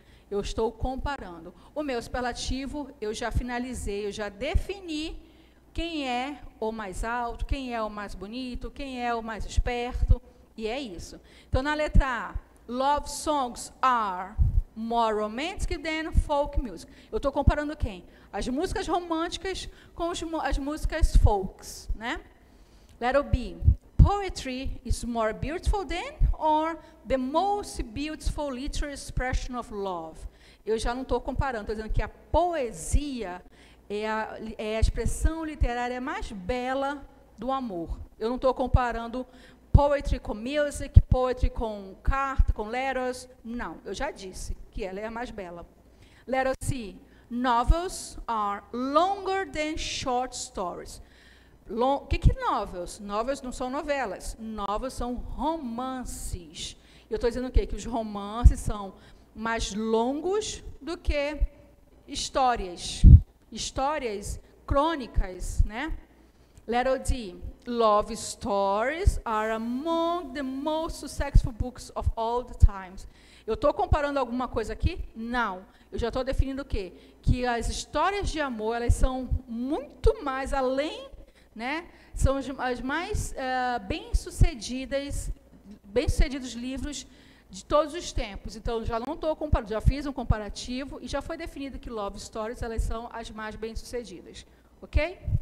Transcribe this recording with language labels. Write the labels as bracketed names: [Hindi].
[Portuguese] eu estou comparando. O meu superlativo, eu já finalizei, eu já defini quem é o mais alto, quem é o mais bonito, quem é o mais esperto, e é isso. Então, na letra A, [English] love songs are more romantic than folk music. [Portuguese] Eu estou comparando quem? As músicas românticas com as músicas folks, né? Letra B, [English] poetry is more beautiful than or the most beautiful literary expression of love. [Portuguese] Eu já não estou comparando, estou dizendo que a poesia é a expressão literária mais bela do amor. Eu não estou comparando poetry com music, poetry com carta, com letters. Não, eu já disse que ela é a mais bela. [English] Letter C, novels are longer than short stories. [Portuguese] O que novels? Novels não são novelas. Novels são romances. Eu estou dizendo o quê? Que os romances são mais longos do que histórias. Histórias crônicas, né? [English] Letter D, love stories are among the most successful books of all the times. [Portuguese] Eu estou comparando alguma coisa aqui? Não. Eu já estou definindo o quê? Que as histórias de amor, elas são muito mais além, né? São as mais bem-sucedidos livros de todos os tempos. Então, já não estou comparando, já fiz um comparativo e já foi definido que love stories, elas são as mais bem-sucedidas. Ok?